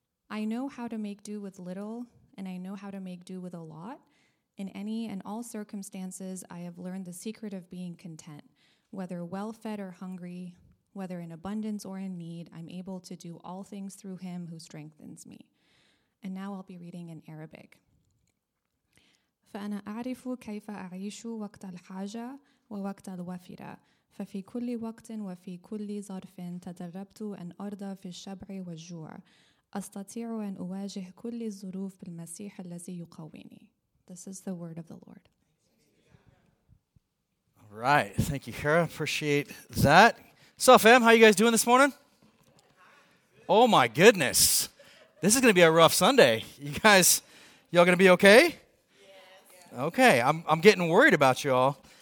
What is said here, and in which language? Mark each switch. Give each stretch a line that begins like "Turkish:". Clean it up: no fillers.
English: I know how to make do with little, and I know how to make do with a lot. In any and all circumstances, I have learned the secret of being content. Whether well-fed or hungry, whether in abundance or in need, I'm able to do all things through him who strengthens me. And now I'll be reading in Arabic.
Arabic: فَأَنَا أَعْرِفُ كَيْفَ أَعِيشُ وَقْتَ الْحَاجَةِ ووقت الوفرة ففي كل وقت وفي كل ظرف تدربت أن أرضى في الشبع والجوع أستطيع أن أواجه كل الظروف بالمسيح الذي يقويني.
English: This is the word of the Lord. All right, thank you, Hera. Appreciate that. So, fam, how are you guys doing this morning? Oh my goodness, this is going to be a rough Sunday. You guys, y'all going to be okay? Okay, I'm getting worried about y'all.